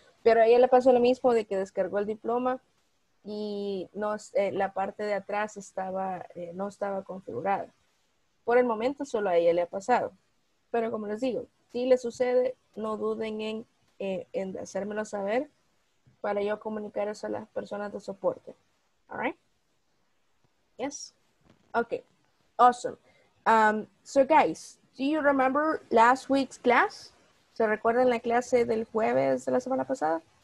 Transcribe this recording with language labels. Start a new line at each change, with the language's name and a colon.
Spanish: Pero a ella le pasó lo mismo, de que descargó el diploma y no, la parte de atrás estaba, no estaba configurada. Por el momento solo a ella le ha pasado. Pero como les digo, si le sucede, no duden en hacérmelo saber, para yo comunicar eso a las personas de soporte.
English: All right? Yes? Okay. Awesome. So guys, do you remember last week's class?
Spanish: ¿Se recuerdan la clase del jueves de la semana pasada?